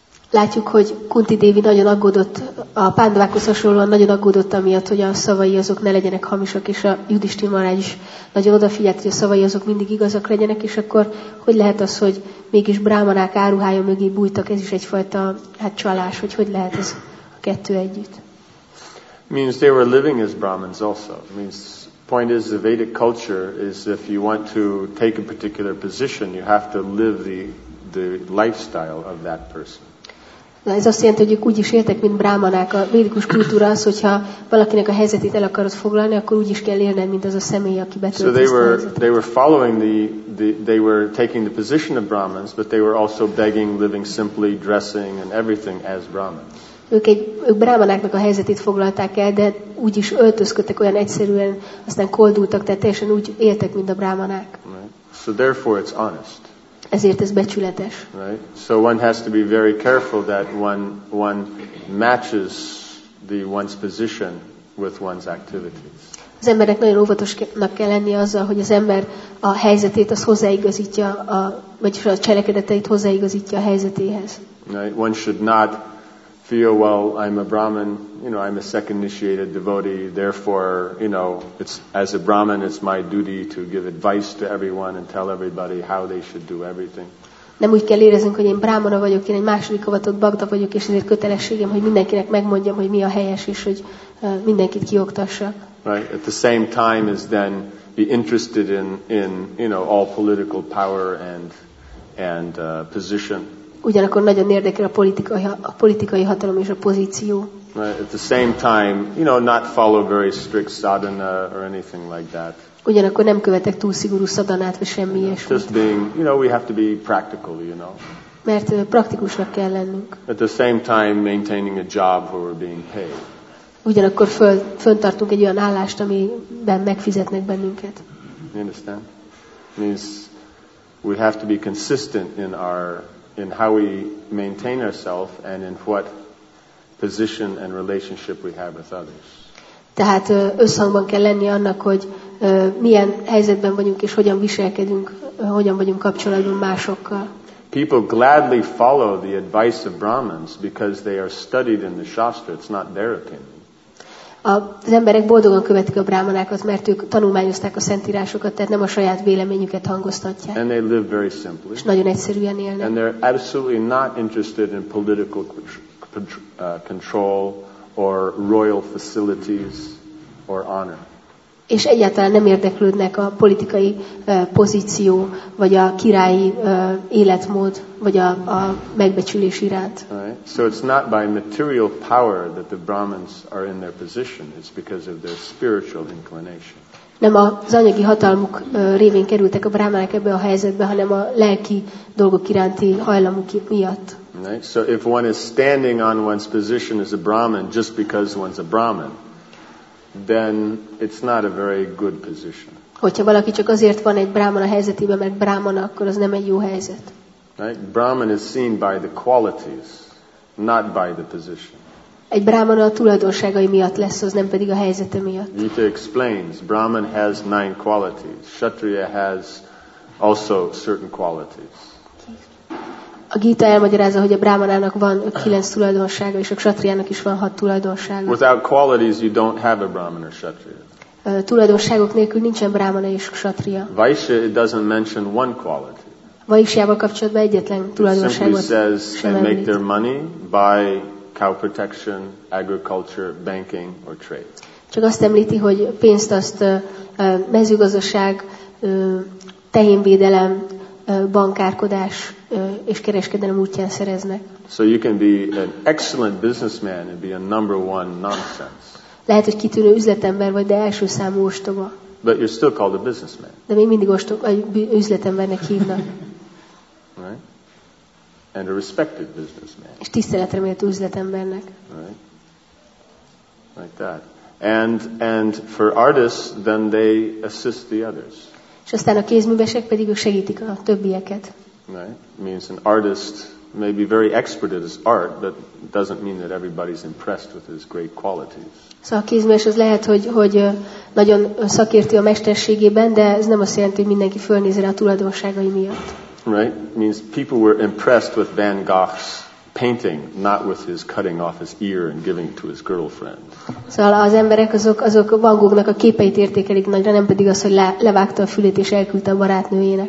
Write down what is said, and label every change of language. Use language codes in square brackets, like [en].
[hu] Látjuk, hogy Kunti Dévi nagyon aggódott, a Pándavákhoz hasonlóan nagyon aggódott amiatt, hogy a szavai azok ne legyenek hamisak, és a Yudhishthira Maharaj is nagyon odafigyelt, hogy a szavai azok mindig igazak legyenek, és akkor hogy lehet az, hogy mégis brámanák áruhája mögé bújtak, ez is egyfajta hát csalás, hogy lehet ez a kettő együtt. [en] Means they were living as Brahmins also. Means point is the Vedic culture is if you want to take a particular position, you have to live the lifestyle of that person. [hu] Na, ez azt jelenti, hogy ők úgy is éltek, mint brámanák. A védikus kultúra az, hogyha valakinek a helyzetét el akarod foglalni, akkor úgy is kell élned, mint az a személy, aki betölti so ezt a helyzetet. [en] They were following they were taking the position of Brahmins, but they were also begging, living simply, dressing and everything as Brahmins. [hu] Ők brámanáknak a helyzetét foglalták el, de úgy is öltözködtek olyan egyszerűen, aztán koldultak, tehát teljesen úgy éltek, mint a brámanák. [en] Right. So therefore it's honest. [hu] Ezért ez becsületes. [en] Right? So one has to be very careful that one matches the one's position with one's activities. [hu] Az embernek nagyon óvatosnak kell lennie azzal, hogy az ember a helyzetét az hozzáigazítja, vagyis a cselekedeteit hozzáigazítja a helyzetéhez. [en] Right? One should not feel, well, I'm a Brahmin, you know, I'm a second initiated devotee, therefore, you know, it's as a Brahmin, it's my duty to give advice to everyone and tell everybody how they should do everything. [hu] Nem úgy kell éreznünk, hogy én brámana vagyok, én egy második avatott bagda vagyok, és ezért kötelességem, hogy mindenkinek megmondjam, hogy mi a helyes, és hogy mindenkit kioktassak. [en] Right. At the same time is then be interested in you know, all political power and position. [hu] Ugyanakkor nagyon érdekel a politikai hatalom és a pozíció. [en] Right. At the same time, you know, not follow very strict sadhana or anything like that. [hu] Ugyanakkor nem követek túl szigorú szadanát, vagy semmi ilyesmit. [en] Just being, you know, we have to be practical, you know. [hu] Mert praktikusnak kell lennünk. [en] At the same time, maintaining a job where we're being paid. [hu] Ugyanakkor fönntartunk egy olyan állást, amiben megfizetnek bennünket. [en] You understand? Means we have to be consistent in how we maintain ourselves and in what position and relationship we have with others. [hu] Tehát összhangban kell lenni annak, hogy milyen helyzetben vagyunk és hogyan viselkedünk, hogyan vagyunk kapcsolatban másokkal. [en] People gladly follow the advice of Brahmins because they are studied in the Shastra. It's not their opinion. [hu] Az emberek boldogan követik a brámanákat, mert ők tanulmányozták a szentírásokat, tehát nem a saját véleményüket hangoztatják. [en] And they live very simply. [hu] És nagyon egyszerűen élnek. [en] And they're absolutely not interested in political control or royal facilities or honor. [hu] És egyáltalán nem érdeklődnek a politikai pozíció, vagy a királyi életmód, vagy a megbecsülés iránt. [en] Right. So it's not by material power that the Brahmins are in their position, it's because of their spiritual inclination. [hu] Nem az anyagi hatalmuk révén kerültek a brahmanák ebbe a helyzetbe, hanem a lelki dolgok iránti hajlamuk miatt. [en] Right. So if one is standing on one's position as a Brahmin just because one's a Brahmin, then it's not a very good position. [hu] Hogyha valaki csak azért van egy brámana helyzetében, mert brámana, akkor az nem egy jó helyzet. [en] Right? Brahman is seen by the qualities, not by the position. [hu] Egy brámana a tulajdonságai miatt lesz, az nem pedig a helyzete miatt. [en] Gita explains, Brahman has 9 qualities. Kshatriya has also certain qualities. [hu] A Gita elmagyarázza, hogy a brámanának van 9 tulajdonsága, és a kshatriának is van 6 tulajdonsága. [en] Without qualities you don't have a brahmana or kshatriya. [hu] Tulajdonságok nélkül nincsen brámana és kshatriya. [en] Vaishya doesn't mention one quality. [hu] Vaishyával kapcsolatban egyetlen tulajdonságot sem említ. [en] Simply says they make their money by cow protection, agriculture, banking or trade. [hu] Csak azt említi, hogy pénzt azt mezőgazdaság, tehénvédelem, bankárkodás és kereskedelem útján szereznek. [en] So you can be an excellent businessman and be a number one nonsense. [hu] Lehet, hogy kitűnő üzletember vagy, de első számú ostoba. [en] But you're still called a businessman. [hu] De még mindig ostoba, üzletembernek hívnak. [en] Right? And a respected businessman. [hu] És tiszteletre méltó üzletembernek. [en] Right? Like that. And for artists, then they assist the others. [hu] És aztán a kézművesek pedig ők segítik a többieket. [en] Right. Means an artist may be very expert at his art, but doesn't mean that everybody's impressed with his great qualities. [hu] Szóval a kézműves az lehet, hogy nagyon szakértő a mesterségében, de ez nem azt jelenti, hogy mindenki fölnéz rá a tulajdonságai miatt. [en] Right. Means people were impressed with Van Gogh's painting, not with his cutting off his ear and giving it to his girlfriend. [hu] Szóval az emberek azok Van Goghnak a képeit értékelik nagyra, nem pedig az, hogy levágta a fülét és elküldte a barátnőjének.